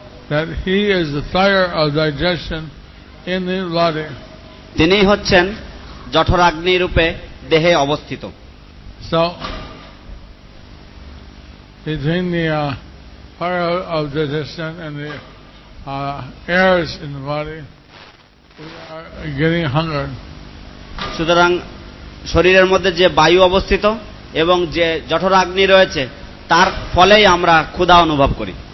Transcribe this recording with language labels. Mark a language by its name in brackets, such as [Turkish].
[English] That he is the fire of digestion in the body. [Bangla] তিনি হচ্ছেন জঠরাগ্নি রূপে দেহে অবস্থিত। [English] So, between the fire of digestion and the airs in the body, we are getting hunger. [Bangla] সুতরাং শরীরের মধ্যে যে বায়ু অবস্থিত এবং যে জঠরাগ্নি রয়েছে তার ফলেই আমরা ক্ষুধা অনুভব করি।